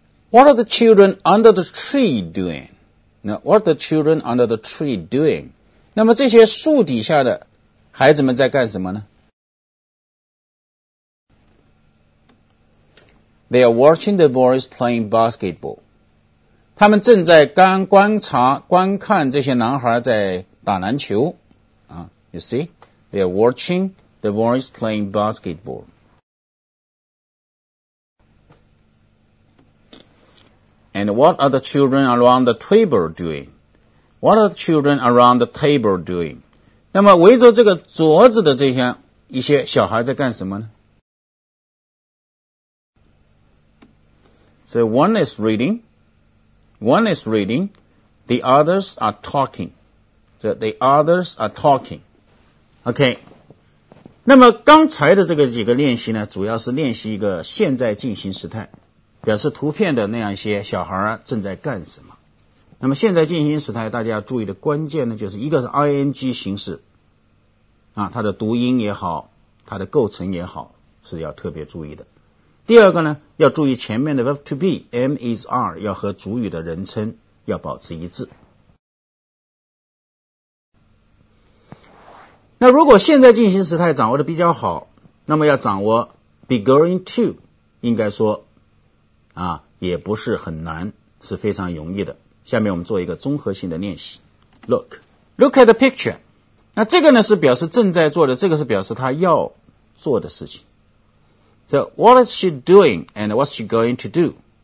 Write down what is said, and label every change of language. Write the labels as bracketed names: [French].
[English] What are the children under the tree doing? Now, what are the children under the tree doing? [Chinese] 那么这些树底下的孩子们在干什么呢？ [English] They are watching the boys playing basketball. [Chinese] 他们正在观看这些男孩在打篮球。 [English] You see? They are watching the boys playing basketball. And what are the children around the table doing? What are the children around the table doing? [Chinese] 那么围着这个桌子的这些一些小孩在干什么呢？ [English] So one is reading, the others are talking. So the others are talking. OK. [Chinese] 那么刚才的这个几个练习呢，主要是练习一个现在进行时态。表示图片的那样一些小孩正在干什么。那么现在进行时态大家注意的关键呢，就是一个是 ing 形式啊，它的读音也好，它的构成也好，是要特别注意的。第二个呢，要注意前面的 verb to be am is are 要和主语的人称要保持一致。那如果现在进行时态掌握的比较好，那么要掌握 be going to， 应该说啊，也不是很难，是非常容易的。下面我们做一个综合性的练习。 [English] Look at the picture。 [Chinese] 那这个呢是表示正在做的，这个是表示他要做的事情。 [English] So what is she doing and what's she going to do？